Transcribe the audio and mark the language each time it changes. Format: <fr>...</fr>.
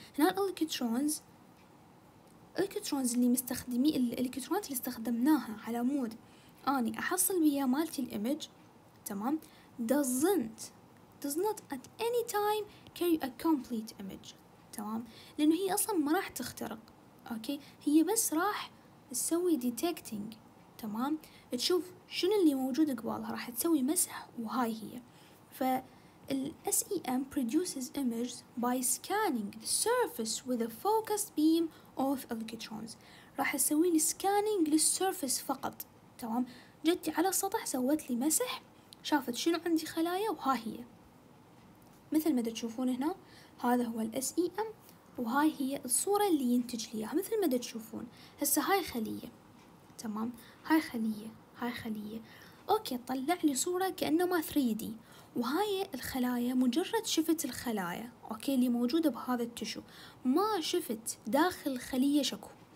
<ar>هنا الإلكترونز اللي مستخدمي الإلكترونات اللي استخدمناها على مود أني أحصل بيها مالتي الإيمج، تمام؟</ar> <en>does not at any time carry a complete image،</en> <ar>تمام؟ لأنه هي أصلا ما راح تخترق، أوكي؟ هي بس راح تسوي detecting، تمام؟ تشوف شنو اللي موجود قبالها، راح تسوي مسح وهاي هي.</ar> <en>فال SEM produces images by scanning the surface with a focused beam of electrons.</en> <ar>راح تسوي لي scanning للسيرفس فقط، تمام؟ جت على السطح سوت لي مسح، شافت شنو عندي خلايا وهاي هي. مثل ما تشوفون هنا هذا هو ال SEM وهاي هي الصورة اللي ينتج ليها. مثل ما تشوفون هسه هاي خلية، تمام؟ هاي خلية اوكي، طلع لي صورة كأنما 3D، وهاي الخلايا مجرد شفت الخلايا اوكي اللي موجودة بهذا التشو، ما شفت داخل الخلية شكو.</ar>